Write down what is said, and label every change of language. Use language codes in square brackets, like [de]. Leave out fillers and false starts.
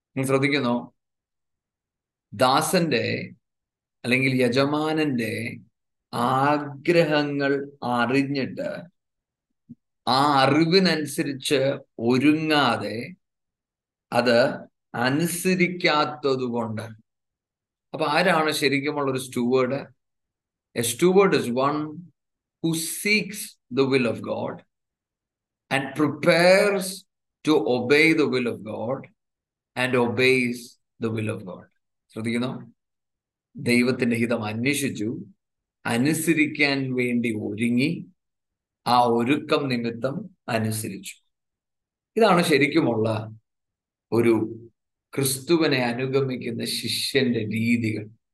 [ml] ശ്രദ്ധിക്കുന്നു, ദാസന്റെ അല്ലെങ്കിൽ യജമാനന്റെ ആഗ്രഹങ്ങൾ അറിഞ്ഞിട്ട് ആ അറിവിനനുസരിച്ച് ഒരുങ്ങാതെ അത് അനുസരിക്കാത്തതുകൊണ്ട്. അപ്പൊ ആരാണ് ശരിക്കുമുള്ള ഒരു steward? [en] A steward is one who seeks the will of God and prepares to obey the will of God and obeys the will of God. [ml] ശ്രദ്ധിക്കുന്നു, ദൈവത്തിന്റെ ഹിതം അന്വേഷിച്ചു, അനുസരിക്കാൻ വേണ്ടി ഒരുങ്ങി, ആ ഒരുക്കം നിമിത്തം അനുസരിച്ചു. ഇതാണ് ശരിക്കുമുള്ള ഒരു ക്രിസ്തുവിനെ അനുഗമിക്കുന്ന ശിഷ്യന്റെ രീതികൾ.